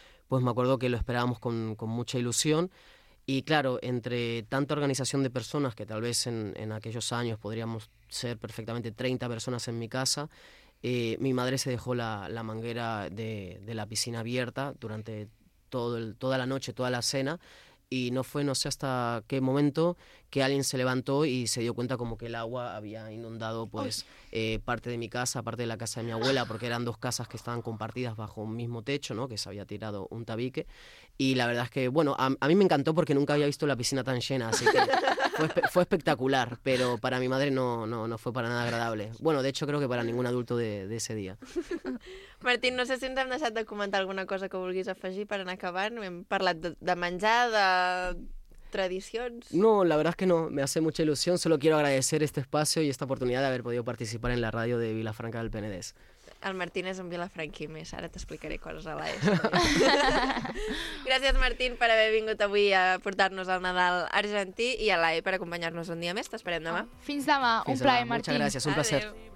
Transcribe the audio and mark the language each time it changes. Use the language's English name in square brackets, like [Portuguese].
[Spanish] Pues me acuerdo que lo esperábamos con mucha ilusión y claro, entre tanta organización de personas que tal vez en aquellos años podríamos ser perfectamente 30 personas en mi casa, mi madre se dejó la manguera de la piscina abierta durante toda la noche, toda la cena, y no fue no sé hasta qué momento que alguien se levantó y se dio cuenta como que el agua había inundado pues parte de mi casa, parte de la casa de mi abuela, porque eran dos casas que estaban compartidas bajo un mismo techo, ¿no? Que se había tirado un tabique. Y la verdad es que, bueno, a mí me encantó porque nunca había visto la piscina tan llena, así que fue espectacular, pero para mi madre no fue para nada agradable. Bueno, de hecho creo que para ningún adulto de ese día. [Catalan] Martín, no sé si ens hem deixat de comentar alguna cosa que vulguis afegir per anar acabant. Hem parlat de menjar, de tradicions. [Spanish] No, la verdad es que no. Me hace mucha ilusión. Solo quiero agradecer este espacio y esta oportunidad de haber podido participar en la ràdio de Vilafranca del Penedès. [Catalan] El Martín és un vilafranquí més. Ara t'explicaré coses a l'ESO. Gràcies, Martín, per haver vingut avui a portar-nos al Nadal argentí i a l'AE per acompanyar-nos un dia més. T'esperem demà. Fins demà. Un plaer, Martín. Moltes gràcies. Un plaer.